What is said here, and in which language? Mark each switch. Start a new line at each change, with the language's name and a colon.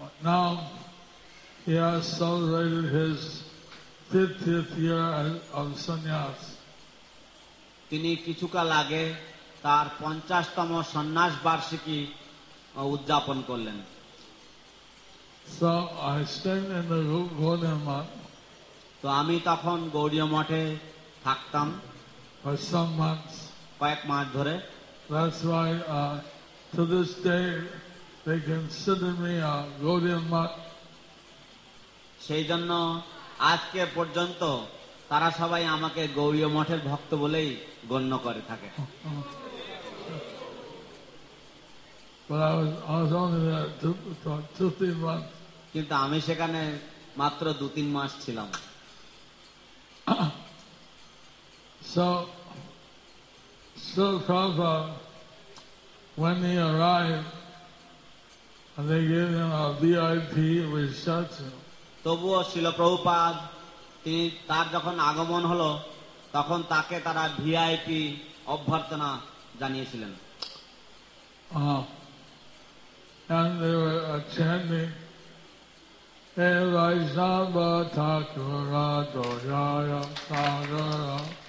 English: Now he has celebrated his 50th year of sannyas.
Bangla: তিনি কিছুকাল আগে তার 50তম সন্ন্যাস বার্ষিকী উদযাপন করলেন।
English: So I stayed in the Gaudiya Math.
Bangla: So আমি তখন গৌড়ীয় মঠে থাকতাম।
English: For some months.
Bangla: কয়েক মাস ধরে।
English: That's why to this day they consider me a Gaudiya Math.
Bangla: সেই জন্য আজকে পর্যন্ত তারা সবাই আমাকে গৌড়ীয় মঠের ভক্ত বলেই গণ্য করে থাকে।
English: But I was only there two three months.
Bangla: কিন্তু আমি সেখানে মাত্র দু তিন মাস ছিলাম।
English: So Prabhupada, when he arrived, they gave him a VIP reception.
Bangla: তবুও শ্রীল প্রভুপাদ তিনি তার যখন আগমন হলো তখন তাকে তারা VIP অভ্যর্থনা জানিয়েছিলেন।
English: And they were chanting,
Bangla: "Hey, Vaishnava Thakur, Dojaya Sagar."